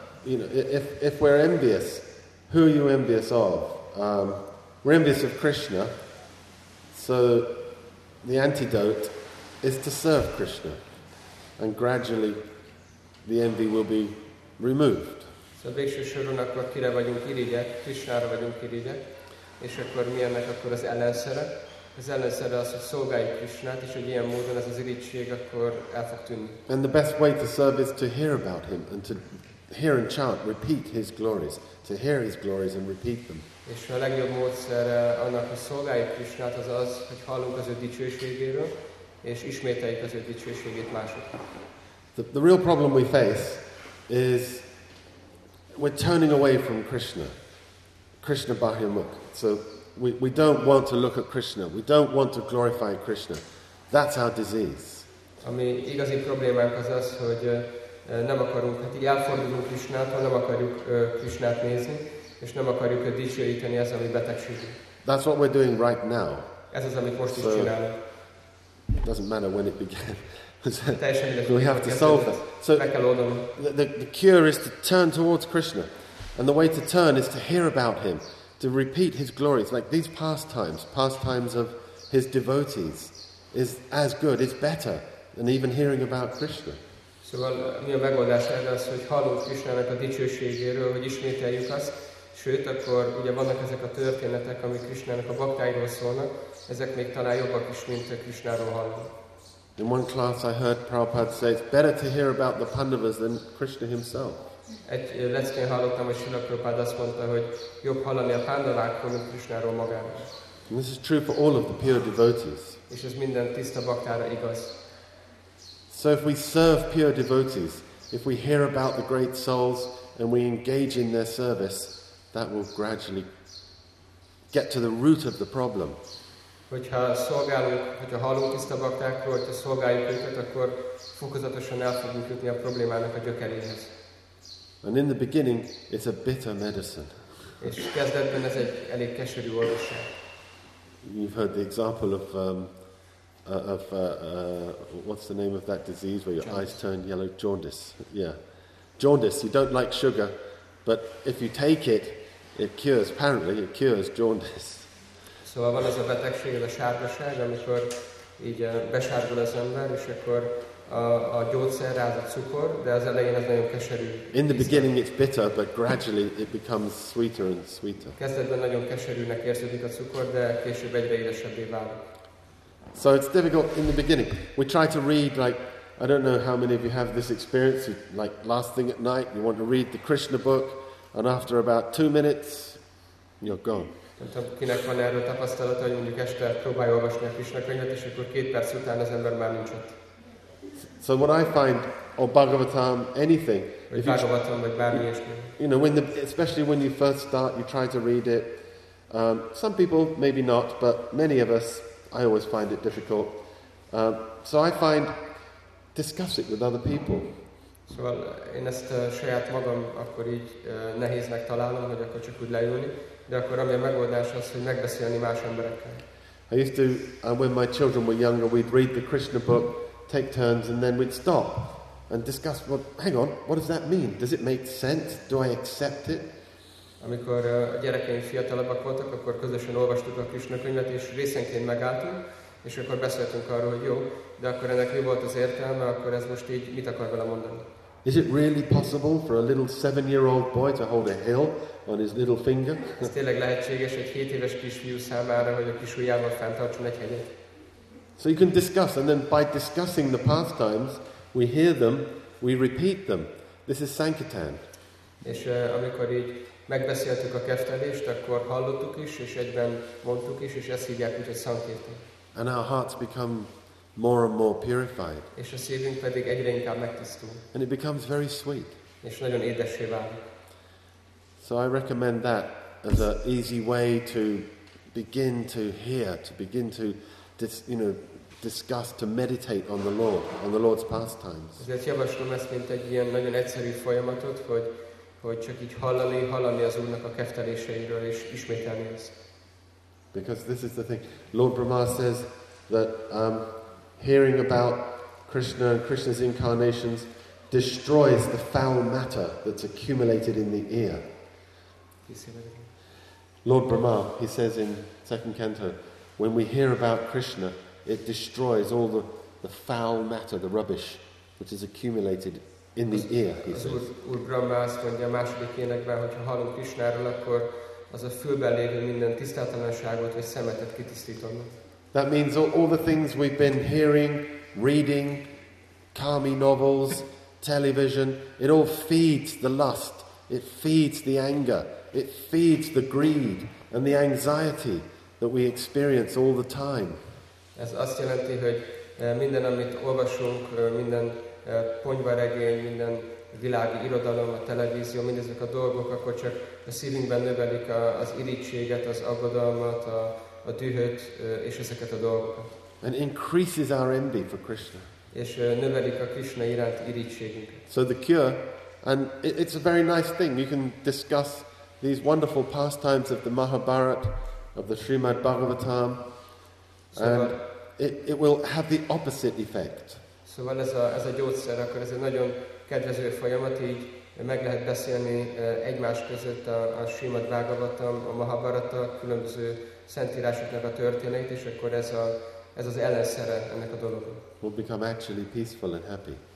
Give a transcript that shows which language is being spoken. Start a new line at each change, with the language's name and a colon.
English: You know, if we're envious, who are you envious of? We're envious of Krishna. So the antidote is to serve Krishna, and gradually the envy will be removed.
Hungarian: So végső soron akkor kire vagyunk irigyek, Krishnára vagyunk irigyek, és akkor mi ennek akkor az ellenszere? Az ellenszere az, hogy szolgáljuk Krishnát, és hogy ilyen módon ez az irigység akkor el fog tűnni.
English: And the best way to serve is to hear about him, and to hear and chant, repeat his glories. To hear his glories and repeat them.
Hungarian: És a legjobb módszer annak, hogy szolgáljuk Krishnát, az az, hogy hallunk az ő dicsőségéről, és ismételjük az ő dicsőségét másoknak.
English: The real problem we face is we're turning away from Krishna. Krishna Bahyamukh. So we don't want to look at Krishna. We don't want to glorify Krishna. That's our disease.
Hungarian: Ami igazi problémánk az az, hogy nem akarunk, hát így elfordulunk Krishnától, nem akarjuk Krishnát nézni, és nem akarjuk dicsőíteni, ez a mi betegségünk.
English: That's what we're doing right now.
Hungarian: Ez az, amit most is csinálunk.
English: It doesn't matter when it began. So we have to solve that. So the cure is to turn towards Krishna. And the way to turn is to hear about him, to repeat his glories. Like these pastimes of his devotees, is as good, is better than even hearing about Krishna.
Hungarian: Szóval mi a megoldás erre az, hogy hallunk Krisnának a dicsőségéről, hogy ismételjük azt, sőt, akkor ugye vannak ezek a történetek, amik Krisnának a baktáiról szólnak, ezek még talán jobbak is, mint Krisnáról hallunk.
English: In one class I heard Prabhupada say, it's better to hear about the Pandavas than Krishna himself.
Hungarian: Egy leckén hallottam, hogy Srila Prabhupada azt mondta, hogy jobb hallani a Pandavákról, mint Krisnáról magáról.
English: And this is true for all of the pure devotees.
Hungarian: És ez minden tiszta baktára igaz.
English: So if we serve pure devotees, if we hear about the great souls and we engage in their service, that will gradually get to the root of the problem.
Hungarian: Hogyha szolgálunk, hogyha hallunk tiszta baktákról, hogyha szolgáljuk őket, akkor fokozatosan el fogunk jutni a problémának a gyökeréhez.
English: And in the beginning, it's a bitter medicine.
Hungarian: És kezdetben ez egy elég keserű orvosság.
English: You've heard the example of what's the name of that disease where your eyes turn yellow? Jaundice. Yeah. Jaundice. You don't like sugar, but if you take it, it cures. Apparently, it cures jaundice.
Hungarian: So, van ez a betegség, ez a sárgaság, amikor így besárgul az ember, és akkor a gyógyszer rá, az a cukor, de az elején ez nagyon keserű.
English: In the beginning it's bitter, but gradually it becomes sweeter and sweeter.
Hungarian: Kezdetben nagyon keserűnek érződik a cukor, de később egyre édesebbé válik.
English: So it's difficult in the beginning. We try to read, like, I don't know how many of you have this experience, like last thing at night, you want to read the Krishna book, and after about 2 minutes, you're gone.
Hungarian: Nem tudom, kinek van erről tapasztalata, hogy mondjuk este próbálj olvasni a Krishna könyvet, és akkor 2 perc után az ember már nincs ott.
English: So what I find, or Bhagavatam, anything, especially when you first start, you try to read it. Some people, maybe not, but many of us, I always find it difficult. So I find, discuss it with other people.
Hungarian: Szóval én ezt saját magam akkor így nehéznek találom, hogy akkor csak úgy leülni, de akkor ami a megoldás az, hogy megbeszélni más emberekkel.
English: I used to, when my children were younger, we'd read the Krishna book, take turns, and then we'd stop and discuss, well, hang on, what does that mean? Does it make sense? Do I accept it?
Hungarian: Amikor a gyerekeim fiatalabbak voltak, akkor közösen olvastuk a Krisna könyvet, és részenként megálltunk, és akkor beszéltünk arról, hogy jó, de akkor ennek mi volt az értelme, akkor ez most így mit akar vele mondani?
English: Is it really possible for a little 7-year-old boy to hold a hill on his little finger?
Hungarian: Ez tényleg lehetséges egy 7 éves kisfiú számára, hogy a kis ujjával fenntartson egy hegyet?
English: So you can discuss, and then by discussing the pastimes, we hear them, we repeat them. This is Sankirtan.
Hungarian: És amikor így megbeszéltük a keftelést, akkor hallottuk is, és egyben mondtuk is, és ezt hívják, hogy Sankirtan.
English: And our hearts become more and more purified.
Hungarian: És a szívünk pedig egyre inkább megtisztul.
English: And it becomes very sweet.
Hungarian: És nagyon édessé válik.
English: So I recommend that as an easy way to begin to hear, to begin to discuss, to meditate on the Lord, on the Lord's pastimes.
Hungarian: Ezért javaslom ezt, mint egy ilyen nagyon egyszerű folyamatot, hogy csak így hallani az Úrnak a kefteléseiről, és ismételni ezt.
English: Because this is the thing. Lord Brahma says that hearing about Krishna and Krishna's incarnations destroys the foul matter that's accumulated in the ear. Lord Brahma, he says in second canto, when we hear about Krishna, it destroys all the foul matter, the rubbish, which is accumulated in the ear, he says.
Hungarian: Úr Brahma azt mondja a második énekben, hogyha hallunk Krishnáról, akkor az a fülben lévő minden tisztátalanságot vagy szemetet kitisztítanak.
English: That means all the things we've been hearing, reading, kami novels, television, it all feeds the lust, it feeds the anger, it feeds the greed and the anxiety that we experience all the time.
Hungarian: Ez azt jelenti, hogy minden, amit olvasunk, minden ponyvaregény, minden világi irodalom, a televízió, mindezek a dolgok, akkor csak a szívünkben növelik az irítséget, az aggodalmat, a dühöt és ezeket a dolgokat.
English: And increases our envy for Krishna.
Hungarian: És növelik a Krishna iránt irítségünket.
English: So the cure, and it's a very nice thing, you can discuss these wonderful pastimes of the Mahabharata, of the Srimad Bhagavatam, and it will have the opposite effect.
Hungarian: Szóval ez a gyógyszer, akkor ez egy nagyon kedvező folyamat, így meg lehet beszélni egymás között a Srimad Bhagavatam, a Mahabharata, különböző szentírásoknak a történeit, és akkor ez az ellenszere ennek a dolognak.
English: We'll become actually peaceful and happy.